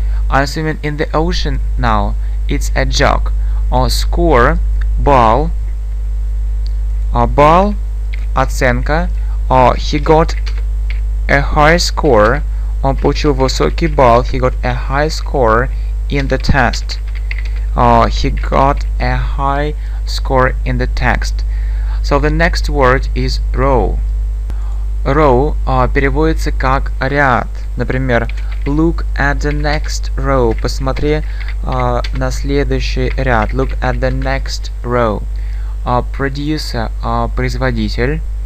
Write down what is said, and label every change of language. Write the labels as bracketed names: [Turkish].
[English] I'm swimming in the ocean now. It's a joke. Score. Ball. Ball. Оценка. He got a high score. [Russian] Он получил высокий балл. [English] He got a high score in the test. He got a high score in the test. So the next word is row. [Russian] Row переводится как ряд. [English] Например, look at the next row. [Russian] Посмотри на следующий ряд. [English] Look at the next row. Producer, производитель.